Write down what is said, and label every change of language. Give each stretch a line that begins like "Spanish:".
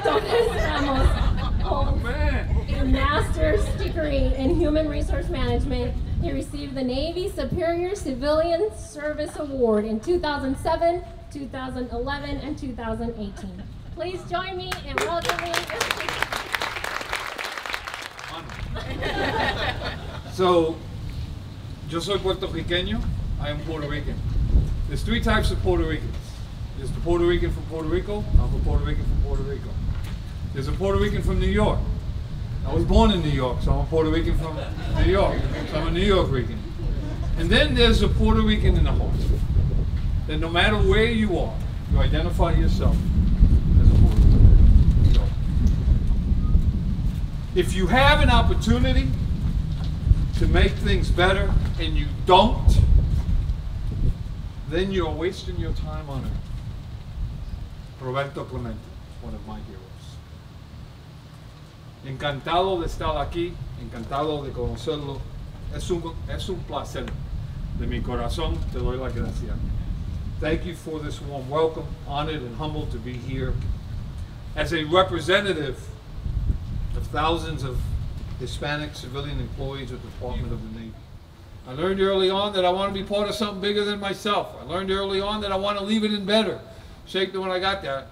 English: Torres Ramos holds a master's degree in human resource management. He received the Navy Superior Civilian Service Award in 2007, 2011, and 2018. Please join me in welcoming.
Spanish: So, yo soy puertorriqueño.
English: I am Puerto Rican. There's three types of Puerto Ricans. There's the Puerto Rican from Puerto Rico. I'm a Puerto Rican from Puerto Rico. There's a Puerto Rican from New York. I was born in New York, so I'm a Puerto Rican from New York. So I'm a New York Rican. And then there's a Puerto Rican in the heart. That no matter where you are, you identify yourself as a Puerto Rican. So if you have an opportunity to make things better and you don't, then you're wasting your time on Earth. Roberto Clemente, one of my heroes.
Spanish: Encantado de estar aquí, encantado de conocerlo. Es un placer de mi corazón, te doy la gracia.
English: Thank you for this warm welcome, honored and humbled to be here. As a representative of thousands of Hispanic civilian employees at the Department of the Navy, I learned early on that I want to be part of something bigger than myself. I learned early on that I want to leave it in better shape than when I got there.